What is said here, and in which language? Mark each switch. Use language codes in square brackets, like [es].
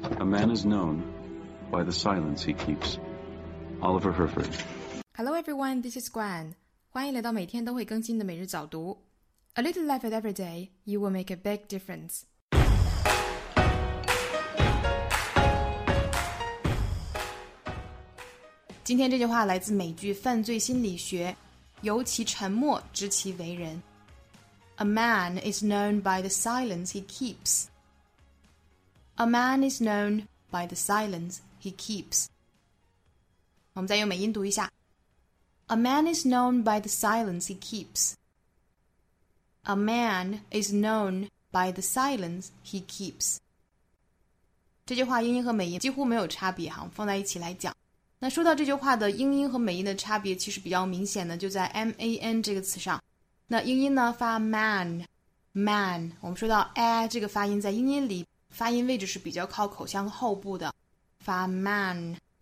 [en] man is known by the silence he keeps. Oliver Herford. Hello everyone, this is Gwen. [zh] 欢迎来到每天都会更新的每日早读。 [en] A little effort every day, you will make a big difference. [zh] 今天这句话来自美剧《犯罪心理学》，由其沉默，知其为人。 [en] A man is known by the silence he keeps. A man is known by the silence he keeps. [zh] 我们再用美音读一下。 [en] A man is known by the silence he keeps. A man is known by the silence he keeps. [zh] 这句话英音和美音几乎没有差别哈，放在一起来讲。那说到这句话的英音和美音的差别，其实比较明显的就在 man 这个词上。那英音呢发 man， 我们说到 a 这个发音在英音里发音位置是比较靠口腔后部的，发 man。